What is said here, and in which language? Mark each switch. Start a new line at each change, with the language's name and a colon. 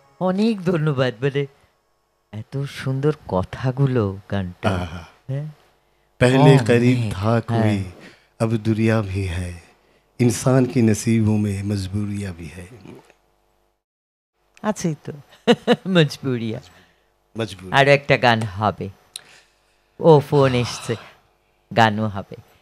Bangla: অনেক ধন্যবাদ বলে এত সুন্দর কথাগুলো গানটা।
Hindi: पहले करीब था कोई अब दुरिया भी है, इंसान की नसीबों में मजबूरियां भी है।
Bangla: আচ্ছা তো মজবুরিয়া মজবুর আর একটা গান হবে, ও ফোন এসেছে গানও হবে।